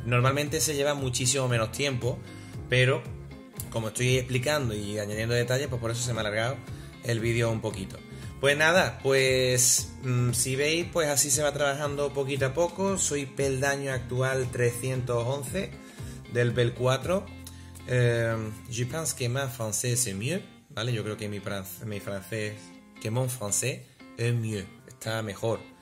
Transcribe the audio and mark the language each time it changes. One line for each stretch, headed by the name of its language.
Spanish: Normalmente se lleva muchísimo menos tiempo, pero como estoy explicando y añadiendo detalles, pues por eso se me ha alargado el vídeo un poquito. Pues nada, pues si veis, pues así se va trabajando poquito a poco. Soy peldaño actual 311 del bel 4.
French: Je pense que ma français c'est mieux, ¿vale?
Spanish: Yo creo que mi francés,
French: que mon français est mieux,
Spanish: está mejor.